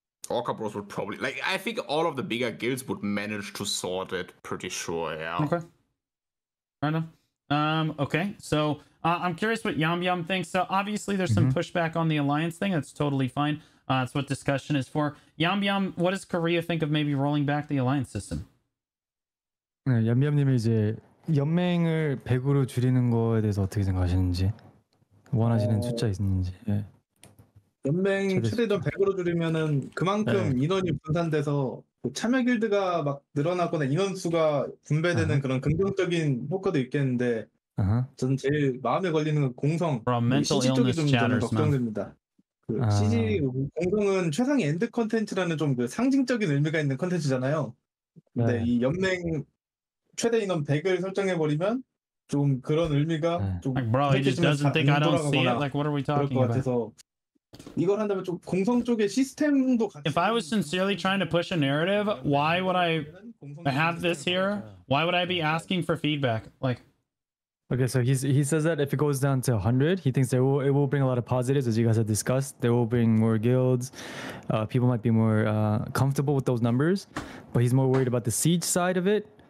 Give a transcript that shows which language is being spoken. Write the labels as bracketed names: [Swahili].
[English] Orca Bros would probably, like, I think all of the bigger guilds would manage to sort it, pretty sure, yeah. Okay. Fair enough. Okay, so I'm curious what Yambyam thinks. So obviously there's some pushback on the alliance thing. That's totally fine. That's what discussion is for. Yambyam, what does Korea think of maybe rolling back the alliance system? [Korean] 네, 얌얌님이 이제 연맹을 100으로 줄이는 거에 대해서 어떻게 생각하시는지 원하시는 숫자 있는지. 네. 연맹 최대도 100으로 줄이면은 그만큼 네. 인원이 분산돼서 참여 길드가 막 늘어나거나 인원 수가 분배되는 그런 긍정적인 효과도 있겠는데 저는 제일 마음에 걸리는 건 공성 CG 쪽이 좀 걱정됩니다. 그 CG 공성은 최상위 엔드 컨텐츠라는 좀 그 상징적인 의미가 있는 컨텐츠잖아요. 근데 네. 이 연맹 최대 인원 100을 설정해 버리면 좀 그런 의미가 좀 [English] like, bro, he just doesn't think I don't see it. Like, what are we talking about? [Korean] 이걸 한다면 좀 공성 쪽의 시스템도 같이 [English] If I was sincerely trying to push a narrative, why would I have this here? Why would I be asking for feedback? Like Okay, so he says that if it goes down to 100, he thinks it will bring a lot of positives, as you guys have discussed. They will bring more guilds. People might be more comfortable with those numbers, but he's more worried about the siege side of it.